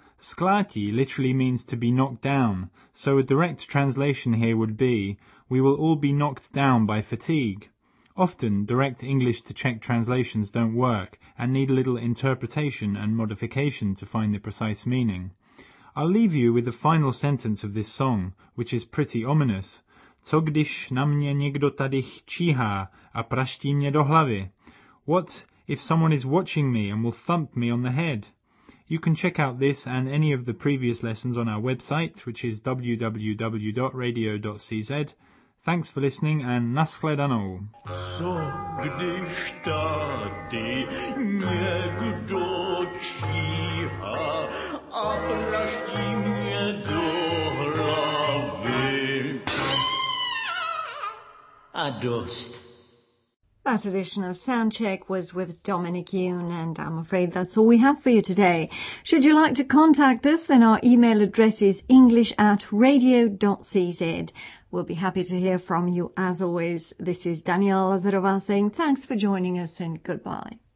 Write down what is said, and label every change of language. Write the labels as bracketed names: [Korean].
[English] Sklátí literally means to be knocked down, so a direct translation here would be We will all be knocked down by fatigue. Often, direct English to Czech translations don't work and need a little interpretation and modification to find the precise meaning. I'll leave you with the final sentence of this song, which is pretty ominous. [Czech] Co když na mě někdo tady číhá a praští mě do hlavy? [English] What if someone is watching me and will thump me on the head? You can check out this and any of the previous lessons on our website, which is www.radio.cz. Thanks for listening and nashledanou. [Czech] Co když tady někdo číhá a praští mě do hlavy? [English] That edition of Soundcheck was with Dominic Yoon, and I'm afraid that's all we have for you today. Should you like to contact us, then our email address is english@radio.cz. We'll be happy to hear from you as always. This is Danielle Lazarová saying thanks for joining us and goodbye.